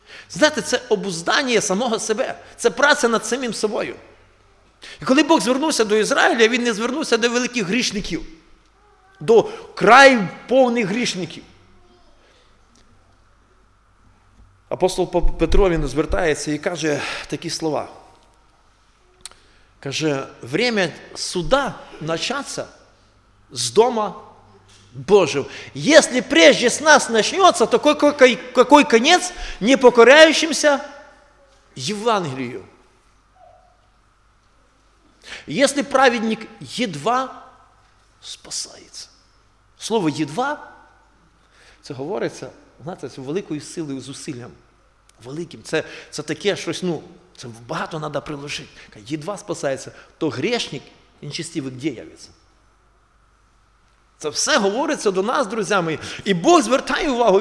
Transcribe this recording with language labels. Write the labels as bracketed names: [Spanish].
[Ukrainian] Знаєте, це обуздання самого себе. Це праця над самим собою. І коли Бог звернувся до Ізраїля, він не звернувся до великих грішників. До край повних грішників. Апостол Петро, він звертається і каже такі слова. [Russian] Каже, время суда начаться з дома Божого. Если прежде с нас начнется, то какой конец непокоряющимся Евангелию? Если праведник едва спасается. [Ukrainian] Слово «едва» це говориться, знаєте, з великою силою, з усиллям. Великим. Це таке щось, це багато треба приложити. Едва спасається, то грішник і нечестивий де явиться. Це все говориться до нас, друзями. І Бог звертає увагу.